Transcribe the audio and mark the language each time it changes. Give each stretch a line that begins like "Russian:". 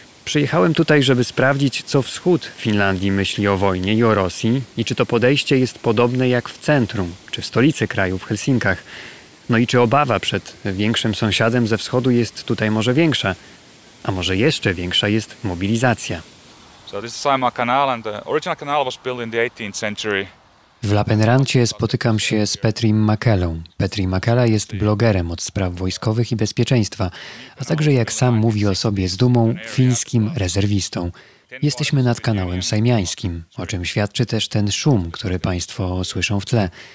Polish: Przyjechałem tutaj, żeby sprawdzić, co wschód Finlandii myśli o wojnie i o Rosji i czy to podejście jest podobne jak w centrum, czy w stolicy kraju, w Helsinkach. No i czy obawa przed większym sąsiadem ze wschodu jest tutaj może większa, a może jeszcze większa jest mobilizacja.
English: So this is Saima Canal and the original canal was built in the 18th century.
Polish: W Lappeenrannie spotykam się z Petrim Makelą. Petri Makela jest blogerem od spraw wojskowych i bezpieczeństwa, a także, jak sam mówi o sobie z dumą, fińskim rezerwistą. Jesteśmy nad kanałem Saimiańskim, o czym świadczy też ten szum, który Państwo słyszą w tle.